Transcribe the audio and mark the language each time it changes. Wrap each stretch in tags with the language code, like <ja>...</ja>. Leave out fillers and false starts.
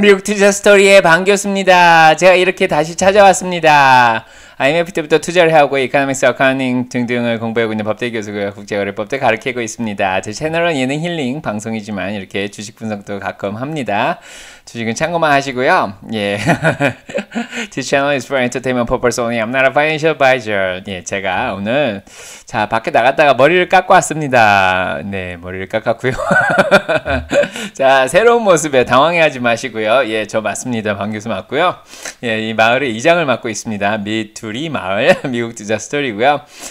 <ko>미국 투자 스토리의 반교수입니다. 제가 이렇게 다시 찾아왔습니다. IMF 때부터 투자를 하고 이코노믹스, 어카운팅 등등을 공부하고 있는 법대 교수고요. 국제거래법도 가르치고 있습니다. 제 채널은 예능 힐링 방송이지만 이렇게 주식 분석도 가끔 합니다. 주식은 참고만 하시고요. 예.</ko> <en>This channel is for entertainment purpose only. I'm not a financial advisor.</en> <ko>예, 제가 오늘 자 밖에 나갔다가 머리를 깎고 왔습니다. 네, 머리를 깎았고요. 자, 새로운 모습에 당황해하지 마시고요. 예, 저 맞습니다. 방 교수 맞고요. 예, 이 마을의 이장을 맡고 있습니다. 미투리 마을 미국 투자 스토리고요.</ko>